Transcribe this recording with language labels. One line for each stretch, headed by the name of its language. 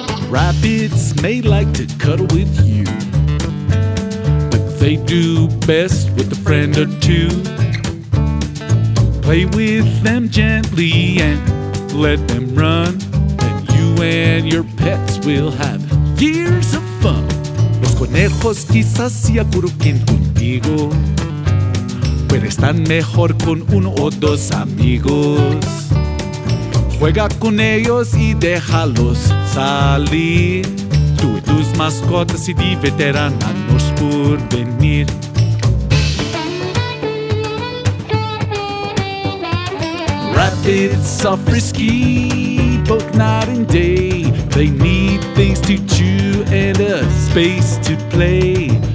English: Rabbits may like to cuddle with you, but they do best with a friend or two. Play with them gently and let them run, and you and your pets will have years of fun.
Spanish: Los conejos quizás se acurruquen contigo, pero están mejor con uno o dos amigos. Juega con ellos y déjalos salir. Tú y tus mascotas se divertirán a nos por venir.
English: Rabbits are frisky, both night and day. They need things to chew and a space to play.